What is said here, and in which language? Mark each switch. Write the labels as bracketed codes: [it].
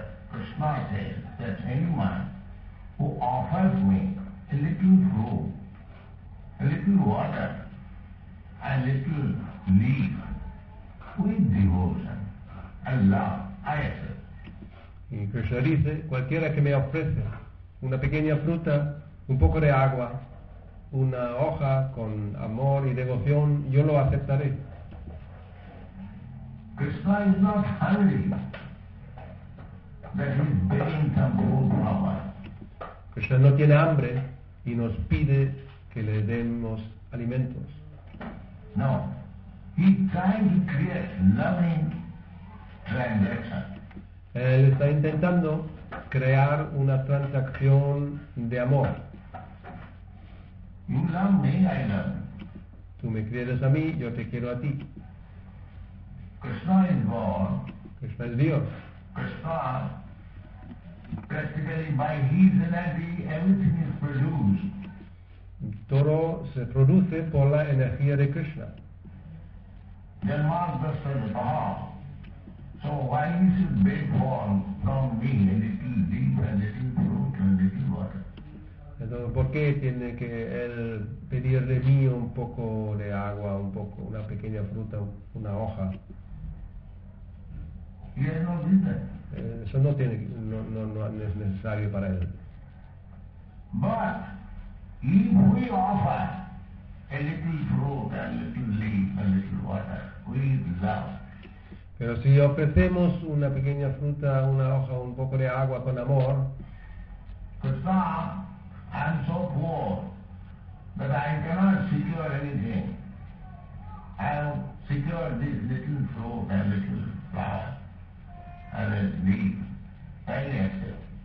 [en] Krishna says that anyone who offers me a little fruit, a little water, a little leaf, with devotion and love, I accept. [es] Y Krishna dice, cualquiera que me ofrece una pequeña fruta, un poco de agua, una hoja con amor y devoción, yo lo aceptaré. [en] Krishna is not hungry that he's begging some food from us. [es] Krishna no tiene hambre y nos pide que le demos alimentos. [en] No, he trying to create loving transaction. [es] Él está intentando crear una transacción de amor. [en] You love me, I love. [es] Tú me quieres a mí, yo te quiero a ti. [en] Krishna is God. [es] Krishna es Dios. [en] Krishna, practically by his energy, everything is produced. [es] Todo se produce por la energía de Krishna. [en] Then one person says, aha, so why you should beg for from me a little leaf and a little fruit and a little water? [es] Entonces, ¿por qué tiene que él pedir de mí un poco de agua, un poco, una pequeña fruta, una hoja? Y él nos dice. Eso no tiene, no es necesario para él. [en] But if we offer a little fruit, a little leaf, a little water, with love. [es] Pero si ofrecemos una pequeña fruta, una hoja, un poco de agua con amor. [en] Krishna, I'm so poor that I cannot secure anything. I have secured this little fruit, a little flower, and a leaf, tiny itself.